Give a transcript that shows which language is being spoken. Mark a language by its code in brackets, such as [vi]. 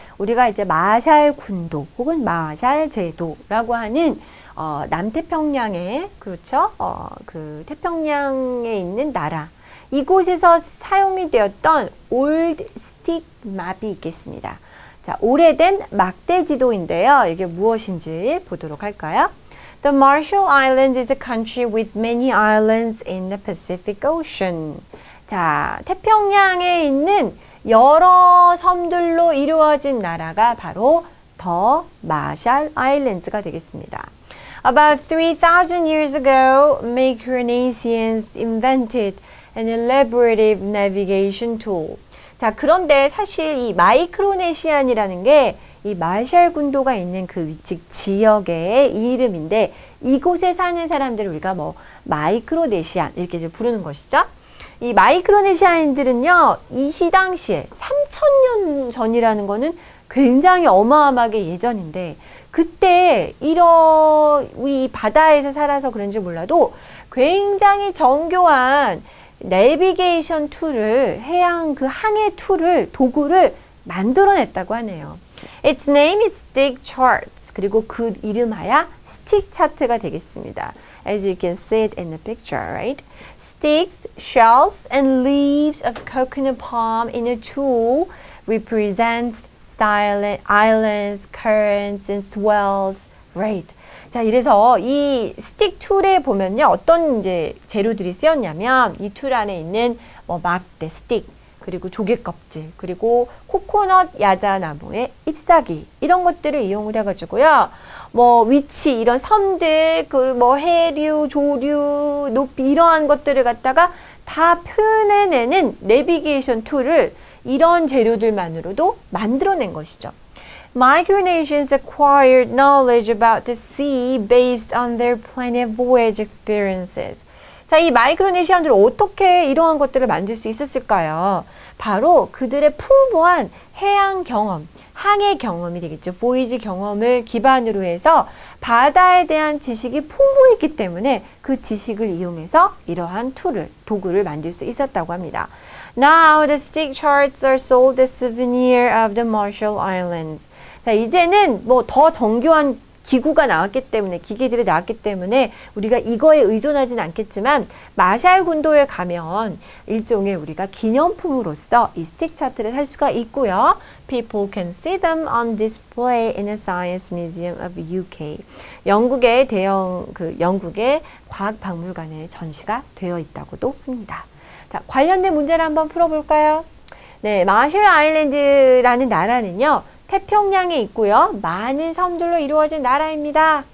[ko] 우리가 이제 마샬 군도 혹은 마샬 제도라고 하는 남태평양에, 그렇죠? 그 태평양에 있는 나라. 이곳에서 사용이 되었던 Old Stick Map이 있겠습니다. 자, 오래된 막대 지도인데요. 이게 무엇인지 보도록 할까요? [en] The Marshall Islands is a country with many islands in the Pacific Ocean. [ko] 자, 태평양에 있는 여러 섬들로 이루어진 나라가 바로 더 마샬 아일랜드가 되겠습니다. [en] About 3,000 years ago, Micronesians invented an elaborative navigation tool. [ko] 자, 그런데 사실 이 마이크로네시안이라는 게이 마샬 군도가 있는 그 위치 지역의 이름인데 이곳에 사는 사람들을 우리가 뭐 마이크로네시안 이렇게 이제 부르는 것이죠. 이 마이크로네시아인들은요, 이시 당시에 3,000년 전이라는 거는 굉장히 어마어마하게 예전인데 그때 이런 우리 바다에서 살아서 그런지 몰라도 굉장히 정교한 내비게이션 툴을 해양 그 항해 툴을 도구를 만들어냈다고 하네요. [en] Its name is Stick Charts. [ko] 그리고 그 이름하여 스틱 차트가 되겠습니다. [en] As you can see it in the picture, right? Sticks, shells, and leaves of coconut palm in a tool represents silent islands, currents, and swells, right? [ko] 자, 이래서 이 스틱 툴에 보면요. 어떤 이제 재료들이 쓰였냐면 이툴 안에 있는 뭐 막대 스틱. 그리고 조개껍질, 그리고 코코넛 야자나무의 잎사귀 이런 것들을 이용을 해가지고요. 뭐 위치 이런 섬들, 그뭐 해류, 조류, 높이 이러한 것들을 갖다가 다 표현해내는 내비게이션 툴을 이런 재료들만으로도 만들어낸 것이죠. [en] Micronesians acquired knowledge about the sea based on their planet voyage experiences. [ko] 자, 이 마이크로네시안들은 어떻게 이러한 것들을 만들 수 있었을까요? 바로 그들의 풍부한 해양 경험, 항해 경험이 되겠죠. 보이지 경험을 기반으로 해서 바다에 대한 지식이 풍부했기 때문에 그 지식을 이용해서 이러한 툴을, 도구를 만들 수 있었다고 합니다. [en] Now the stick charts are sold as souvenir of the Marshall Islands. [ko] 자, 이제는 뭐더 정교한 기구가 나왔기 때문에, 기계들이 나왔기 때문에 우리가 이거에 의존하진 않겠지만 마샬 군도에 가면 일종의 우리가 기념품으로서 이 스틱 차트를 살 수가 있고요. [en] People can see them on display in the Science Museum of UK. [ko] 영국의 대형 그 영국의 과학 박물관에 전시가 되어 있다고도 합니다. 자, 관련된 문제를 한번 풀어볼까요? 네, 마샬 아일랜드라는 나라는요. 태평양에 있고요. 많은 섬들로 이루어진 나라입니다.